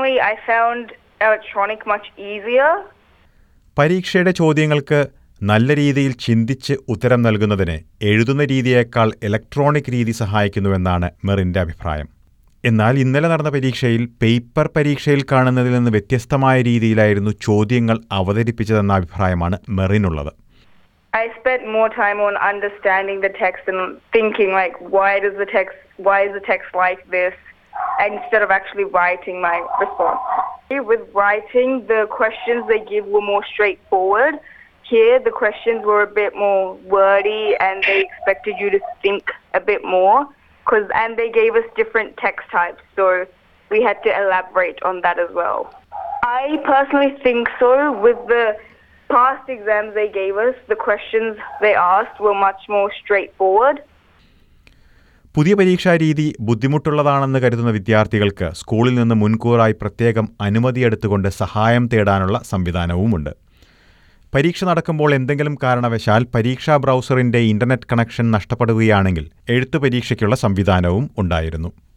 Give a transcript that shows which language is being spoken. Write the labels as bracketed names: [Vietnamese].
[English] I found electronic much easier. [Malayalam] പരീക്ഷയുടെ ചോദ്യങ്ങൾക്ക് നല്ല രീതിയിൽ ചിന്തിച്ച് ഉത്തരം നൽകുന്നതിന് എഴുതുന്ന രീതിയേക്കാൾ ഇലക്ട്രോണിക് രീതി സഹായിക്കുന്നുവെന്നാണ് മെറിന്റെ അഭിപ്രായം. എന്നാൽ ഇന്നലെ നടന്ന പരീക്ഷയിൽ പേപ്പർ പരീക്ഷയിൽ കാണുന്നതിൽ നിന്ന് വ്യത്യസ്തമായ രീതിയിലായിരുന്നു ചോദ്യങ്ങൾ അവതരിപ്പിച്ചതെന്ന അഭിപ്രായമാണ് മെറിനുള്ളത്. [English] I spent more time on understanding the text and thinking like why is the text like this, instead of actually writing my response. With writing, the questions they give were more straightforward. Here, the questions were a bit more wordy and they expected you to think a bit more. And they gave us different text types, so we had to elaborate on that as well. I personally think so. With the past exams they gave us, the questions they asked were much more straightforward. [Malayalam] പുതിയ പരീക്ഷാ രീതി ബുദ്ധിമുട്ടുള്ളതാണെന്ന് കരുതുന്ന വിദ്യാർത്ഥികൾക്ക് സ്കൂളിൽ നിന്ന് മുൻകൂറായി പ്രത്യേകം അനുമതിയെടുത്തുകൊണ്ട് സഹായം തേടാനുള്ള സംവിധാനവുമുണ്ട്. പരീക്ഷ നടക്കുമ്പോൾ എന്തെങ്കിലും കാരണവശാൽ പരീക്ഷാ ബ്രൗസറിന്റെ ഇന്റർനെറ്റ് കണക്ഷൻ നഷ്ടപ്പെടുകയാണെങ്കിൽ എഴുത്ത് പരീക്ഷയ്ക്കുള്ള സംവിധാനവും ഉണ്ടായിരുന്നു.